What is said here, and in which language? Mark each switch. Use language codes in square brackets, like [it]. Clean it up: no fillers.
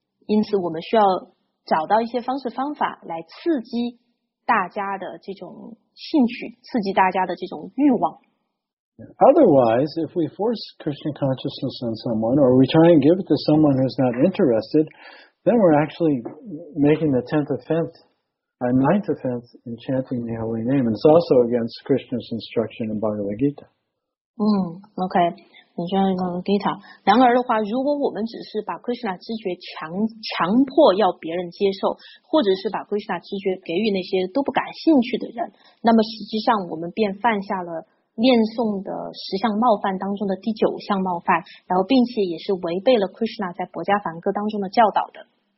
[zh] 因此我们需要找到一些方式方法来刺激大家的这种兴趣，刺激大家的这种欲望。 [en] Otherwise, if we force Krishna consciousness on someone, or we try and give it to someone who's not interested, then we're actually making the tenth offense, a ninth offense in chanting the holy name. And it's also against Krishna's instruction in Bhagavad Gita. [zh] Okay. 你需要一个 data。然而的话，如果我们只是把 Krishna 知觉强迫要别人接受，或者是把 Krishna 知觉给予那些都不感兴趣的人，那么实际上我们便犯下了念诵的十项冒犯当中的第九项冒犯，然后并且也是违背了 Krishna 在薄伽梵歌当中的教导的。